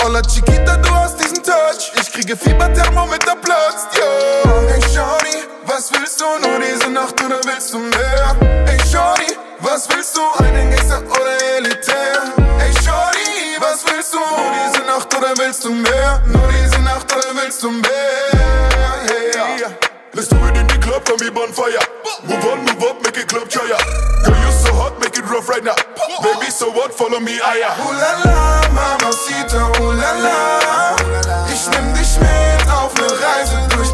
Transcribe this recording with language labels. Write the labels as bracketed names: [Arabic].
[Spanish] Hola Chiquita, [German] du hast diesen Touch. Ich kriege Fieber, Thermometer platzt, yo. [English] Hey Shorty, [German] was willst du? Nur diese Nacht oder willst du mehr? [English] Hey Shorty, [German] was willst du? Einen Gangster oder Elitär? [English] Hey Shorty, [German] was willst du? Nur diese Nacht oder willst du mehr? Nur diese Nacht oder willst du mehr? [English] Let's do it in the club, and we bonfire. Move on, move up, make it club choir. Girl, you so hot, make it rough right now. Baby, so what? Follow me, aya. [German] Ooh la la, Mamacita, ooh la la. Ich nehm dich mit auf ne Reise.